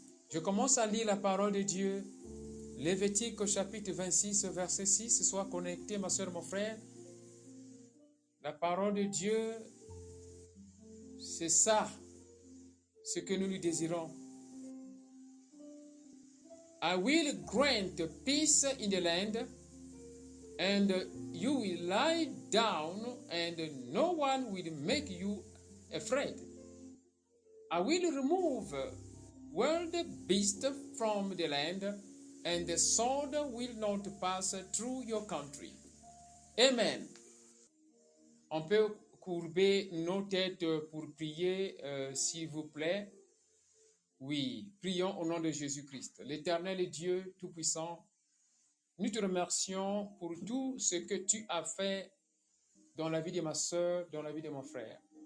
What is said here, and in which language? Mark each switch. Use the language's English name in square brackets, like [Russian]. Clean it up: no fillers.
[French] Je commence à lire la parole de Dieu. Lévitique chapitre 26, verset 6. Sois connecté, ma soeur, mon frère. La parole de Dieu, c'est ça, ce que nous lui désirons. [English] I will grant peace in the land, and you will lie down, and no one will make you afraid. I will remove wild beasts from the land, and the sword will not pass through your country. Amen. [French] On peut courber nos têtes pour prier, s'il vous plaît. Oui, prions au nom de Jésus-Christ. L'Éternel est Dieu Tout-Puissant. Nous te remercions pour tout ce que tu as fait dans la vie de ma sœur, dans la vie de mon frère.